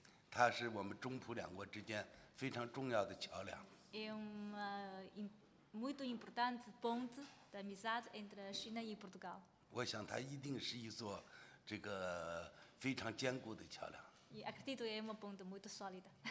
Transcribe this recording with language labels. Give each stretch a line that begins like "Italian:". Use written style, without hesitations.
Chinese: 他是我们中葡两国之间非常重要的桥梁。
Portuguese: É uma muito importante ponte da amizade entre a China e Portugal.
Chinese: 我想它一定是一座这个非常坚固的桥梁。
Portuguese: E acredito é uma ponte muito sólida.